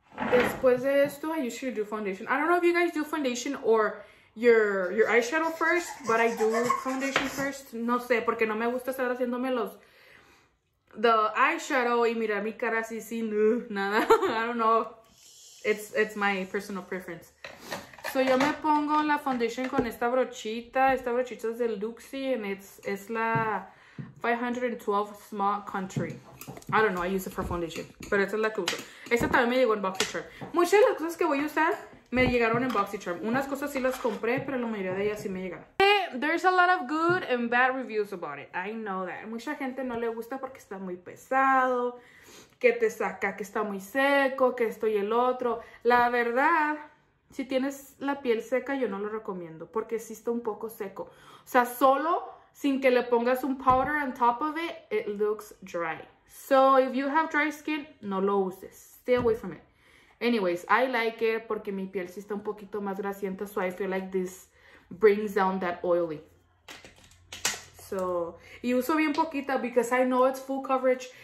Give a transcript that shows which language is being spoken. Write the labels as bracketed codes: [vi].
[es] Después de esto, [en] I usually do foundation. I don't know if you guys do foundation or your eyeshadow first, but I do foundation first. [es] No sé, porque no me gusta estar haciéndome los... [en] the eyeshadow [es] y mirar mi cara así sin nada. [en] I don't know. [es] It's my personal preference. So, yo me pongo la foundation con esta brochita. Esta brochita es del Luxy, [en] and it's [es] la 512 Small Country. [en] I don't know, I use it for foundation. [es] Pero esta es la que uso. Esta también me llegó en BoxyCharm. Muchas de las cosas que voy a usar me llegaron en BoxyCharm. Unas cosas sí las compré, pero la mayoría de ellas sí me llegaron. [en] Hey, there's a lot of good and bad reviews about it. I know that. [es] Mucha gente no le gusta porque está muy pesado, que te saca, que está muy seco, que esto y el otro. La verdad, si tienes la piel seca, yo no lo recomiendo porque sí está un poco seco. O sea, solo sin que le pongas un [en] powder on top of it, it looks dry. So, if you have dry skin, [es] no lo uses. [en] Stay away from it. Anyways, I like it [es] porque mi piel sí está un poquito más grasienta. [en] So, I feel like this brings down that oily. So, [es] y uso bien poquita [en] because I know it's full coverage.